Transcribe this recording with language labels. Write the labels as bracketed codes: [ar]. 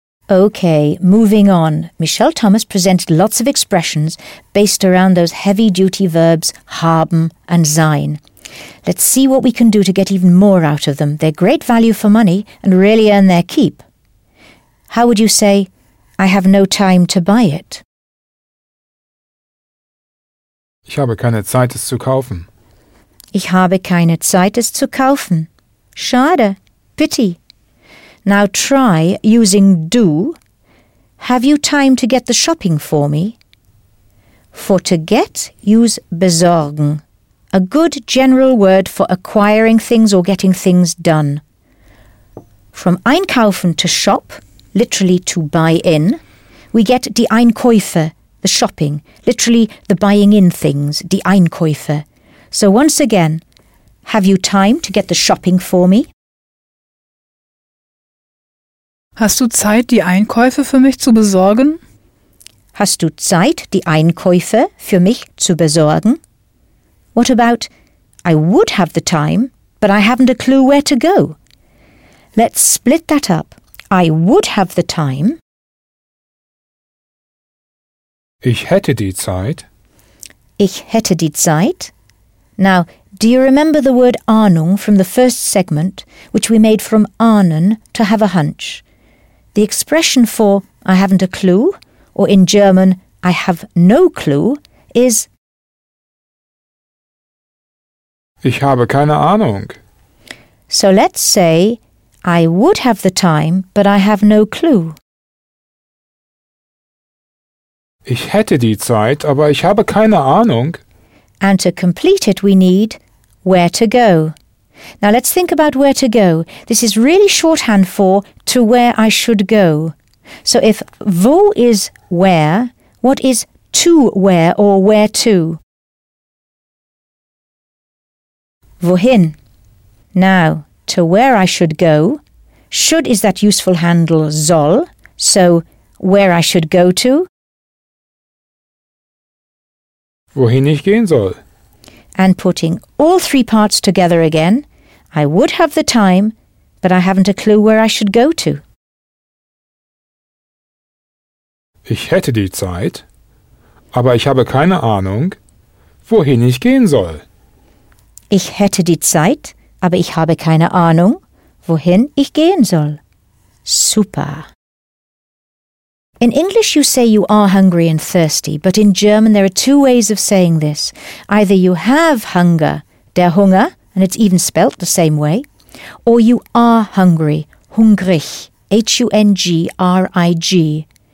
[en] Okay, moving on. Michelle Thomas presented lots of expressions based around those heavy-duty verbs haben and sein. Let's see what we can do to get even more out of them. They're great value for money and really earn their keep. How would you say, I have no time to buy it? [de] Ich habe keine Zeit, es zu kaufen. Ich habe keine Zeit, es zu kaufen. Schade. [en] Pity. Now try using do. Have you time to get the shopping for me? For to get, use besorgen. A good general word for acquiring things or getting things done. From einkaufen to shop, literally to buy in, we get die Einkäufe, the shopping, literally the buying in things, die Einkäufe. So once again, have you time to get the shopping for me? [de] Hast du Zeit, die Einkäufe für mich zu besorgen? Hast du Zeit, die Einkäufe für mich zu besorgen? [en] What about, I would have the time, but I haven't a clue where to go. Let's split that up. I would have the time. [de] Ich hätte die Zeit. Ich hätte die Zeit. [en] Now, do you remember the word Ahnung from the first segment, which we made from Ahnen, to have a hunch? The expression for I haven't a clue, or in German, I have no clue, is [de] Ich habe keine Ahnung. [en] So let's say, I would have the time, but I have no clue. [de] Ich hätte die Zeit, aber ich habe keine Ahnung. [en] And to complete it, we need where to go. Now let's think about where to go. This is really shorthand for to where I should go. So if wo is where, what is to where or where to? Wohin. Now, to where I should go. Should is that useful handle soll. So, where I should go to. [de] Wohin ich gehen soll. [en] And putting all three parts together again. I would have the time, but I haven't a clue where I should go to. [de] Ich hätte die Zeit, aber ich habe keine Ahnung, wohin ich gehen soll. Ich hätte die Zeit, aber ich habe keine Ahnung, wohin ich gehen soll. Super. [en] In English you say you are hungry and thirsty, but in German there are two ways of saying this. Either you have hunger, der Hunger, and it's even spelt the same way, or you are hungry, hungrig, H-U-N-G-R-I-G.